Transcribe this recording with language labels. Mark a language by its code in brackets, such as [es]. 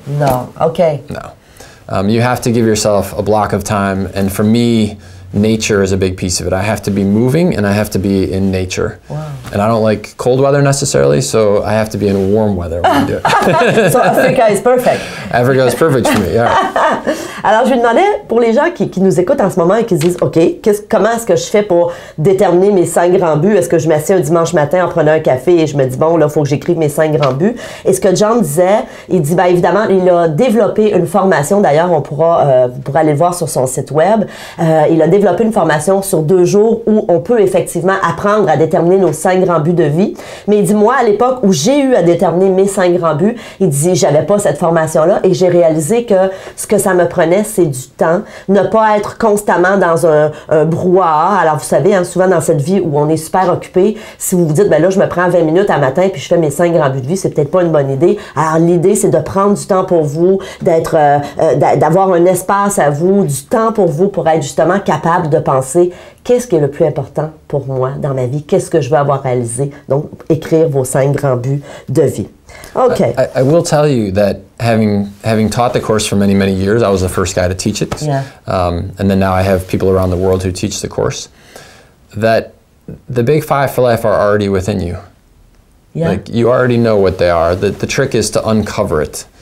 [en] No, okay. No. You have to give yourself a block of time. And for me, nature is a big piece of it. I have to be moving and I have to be in nature. Wow. And I don't like cold weather necessarily, so I have to be in warm weather when I do it. So Africa is perfect. Africa is perfect for me, yeah. [fr] Alors, je lui demandais, pour les gens qui nous écoutent en ce moment et qui se disent, OK, comment est-ce que je fais pour déterminer mes 5 grands buts? Est-ce que je m'assieds un dimanche matin en prenant un café et je me dis, bon, là, il faut que j'écrive mes 5 grands buts? Et ce que John disait, il dit, bien, évidemment, il a développé une formation. D'ailleurs, on pourra, vous pourrez aller le voir sur son site web. Il a développé une formation sur 2 jours où on peut effectivement apprendre à déterminer nos 5 grands buts de vie. Mais il dit, moi, à l'époque où j'ai eu à déterminer mes 5 grands buts, il dit, j'avais pas cette formation-là et j'ai réalisé que ce que ça me prenait, c'est du temps, ne pas être constamment dans un brouhaha. Alors, vous savez, hein, souvent dans cette vie où on est super occupé, si vous vous dites, ben là, je me prends 20 minutes à matin puis je fais mes 5 grands buts de vie, c'est peut-être pas une bonne idée. Alors, l'idée, c'est de prendre du temps pour vous, d'être, d'avoir un espace à vous, du temps pour vous pour être justement capable de penser qu'est-ce qui est le plus important pour moi dans ma vie, qu'est-ce que je veux avoir réalisé. Donc, écrire vos 5 grands buts de vie. Okay. [en] I will tell you that having taught the course for many, many years, I was the first guy to teach it. Yeah. And then now I have people around the world who teach the course. That the big 5 for life are already within you. Yeah. Like you already know what they are. The trick is to uncover it.